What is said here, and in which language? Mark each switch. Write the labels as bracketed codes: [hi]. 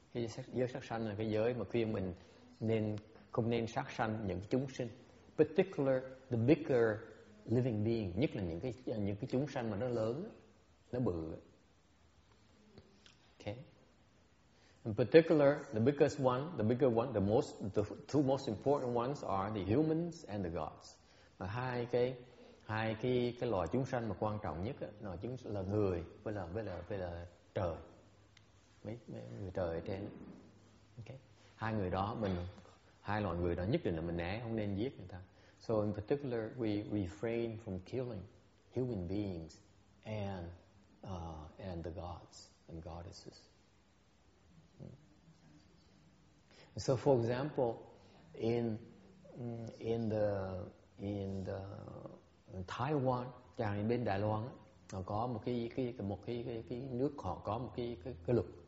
[vi] Cái giới sát sanh là cái giới mà khuyên mình nên không nên sát sanh những chúng sinh, [en] particular the bigger living being, [vi] nhất là những cái chúng sanh mà nó lớn, nó bự. [en] Okay. In particular, the biggest one, the two most important ones are the humans and the gods. [vi] Mà hai cái loài chúng sanh mà quan trọng nhất đó, chúng là người với là trời. Mấy người trời ở trên. Okay. Hai người đó hai loại người đó nhất định là mình né, không nên giết người ta. [en] So in particular, we refrain from killing human beings and the gods and goddesses. So for example, in the Taiwan, [vi] chàng ở bên Đài Loan, họ có một cái nước, họ có một cái luật.